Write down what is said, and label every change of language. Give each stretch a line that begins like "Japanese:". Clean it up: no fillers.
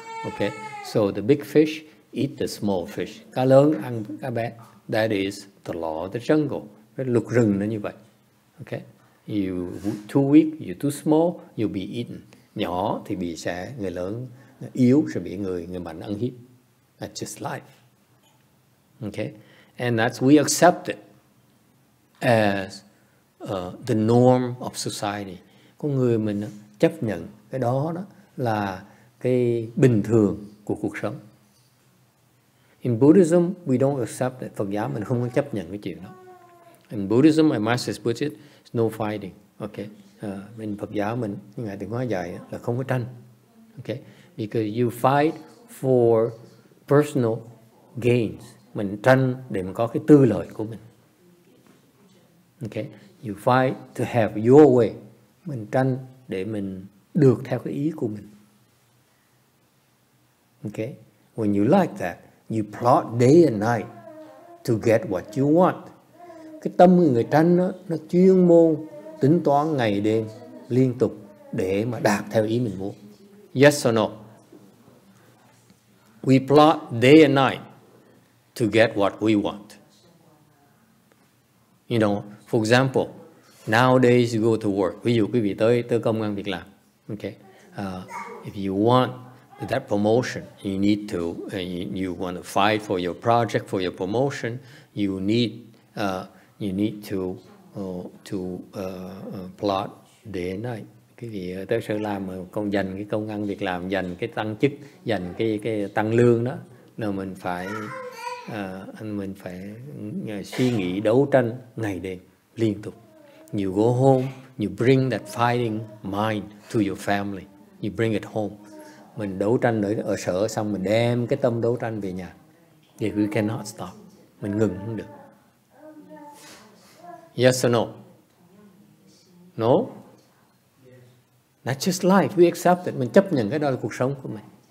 English: Okay, so the big fish eat the small fish.
Vietnamese: Cá lớn ăn cá bé.
English: That is the law of the jungle.
Vietnamese: Luật rừng nó như vậy. Okay.
English: You too weak, you too small, you'll be eaten.
Vietnamese: Nhỏ thì bị sẽ người lớn yếu sẽ bị người mạnh ăn hiếp.
English: That's just life. Okay, and that's we accept it as the norm of society.
Vietnamese: Có người mình chấp nhận cái đó là cái bình thường của cuộc sống.
English: In Buddhism, we don't accept it.
Vietnamese: Phật giáo mình không có chấp nhận cái chuyện đó.
English: In Buddhism, my master put it. No fighting, okay.
Vietnamese: Mình Phật giáo mình như ngài từng nói dạy là không có tranh, okay.
English: Because you fight for personal gains,
Vietnamese: mình tranh để mình có cái tư lợi của mình, okay.
English: You fight to have your way,
Vietnamese: mình tranh để mình được theo cái ý của mình, okay.
English: When you like that, you plot day and night to get what you want.
Vietnamese: Cái tâm người tranh đó, nó chuyên môn tính toán ngày đêm liên tục để mà đạt theo ý mình muốn.
English: Yes or no? We plot day and night to get what we want. You know, for example, nowadays you go to work.
Vietnamese: Ví dụ quý vị tới công ăn việc làm.
English: Okay. If you want that promotion, you need to, you want to fight for your project, for your promotion, you need to plot day and night.
Vietnamese: Cái gì tới sở làm mà con dành cái công ăn việc làm, dành cái tăng chức, dành cái tăng lương đó, là mình phải suy nghĩ đấu tranh ngày đêm liên tục.
English: You go home, you bring that fighting mind to your family. You bring it home.
Vietnamese: mình đấu tranh ở sở xong mình đem cái tâm đấu tranh về nhà thì
English: we cannot stop,
Vietnamese: mình ngừng không được.
English: Yes or no? No? That's just life, we accept it.
Vietnamese: Mình chấp nhận cái đó là cuộc sống của mình.